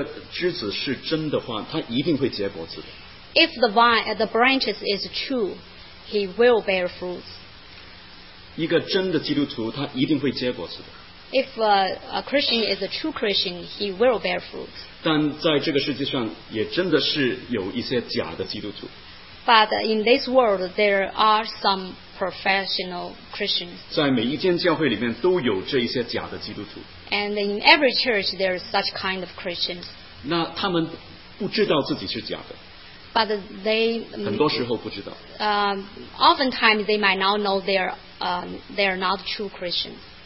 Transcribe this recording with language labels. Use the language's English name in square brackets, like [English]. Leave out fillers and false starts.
[Chinese] 那真的，如果这个枝子是真的话，它一定会结果子的。 [English] If the vine, the branches is true, he will bear fruit. [Chinese] 一个真的基督徒，他一定会结果子的。 [English] If a Christian is a true Christian, he will bear fruit. [Chinese] 但在这个世界上，也真的是有一些假的基督徒。 [English] But in this world, there are some professional Christians. [Chinese] 在每一间教会里面都有这一些假的基督徒。 [English] And in every church, there are such kind of Christians. [Chinese] 那他们不知道自己是假的。 [English] But they [Chinese] 很多时候不知道。 [English] Oftentimes, they might not know they are not true Christians.